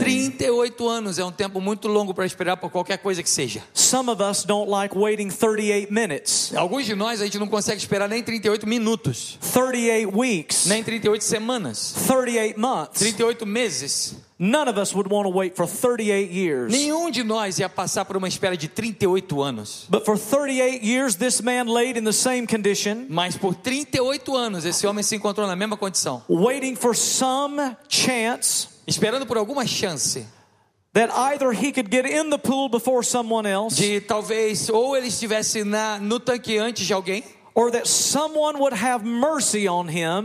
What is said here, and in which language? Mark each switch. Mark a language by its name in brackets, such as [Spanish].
[Portuguese] 38 anos é um tempo muito longo para esperar por qualquer coisa que seja. [English] Some of us don't like waiting 38 minutes. [Portuguese] Alguns de nós a gente não consegue esperar nem 38 minutos. [English] 38 weeks. [Portuguese] Nem 38 semanas. [English] 38 months. [Portuguese] 38 meses. [English] None of us would want to wait for 38 years. [Portuguese] Nenhum de nós ia passar por uma espera de 38 anos. [English] But for 38 years, this man laid in the same condition. [Portuguese] Mas por 38 anos, esse homem se encontrou na mesma condição. [English] Waiting for some chance. [Portuguese] Esperando por alguma chance. [English] That either he could get in the pool before someone else. [Portuguese] De talvez ou ele estivesse no tanque antes de alguém. [English] Or that someone would have mercy on him.